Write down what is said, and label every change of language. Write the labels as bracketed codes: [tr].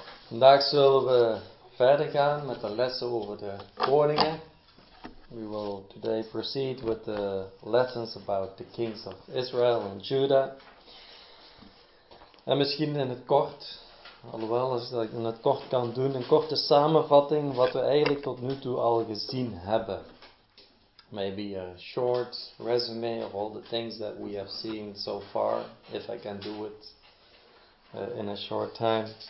[nl] Vandaag zullen we verder gaan met de lessen over de koningen. [en] We will today proceed with the lessons about the kings of Israel and Judah. [nl] En misschien in het kort, alhoewel als ik dat in het kort kan doen, een korte samenvatting wat we eigenlijk tot nu toe al gezien hebben. [en] Maybe a short resume of all the things that we have seen so far, if I can do it in a short time.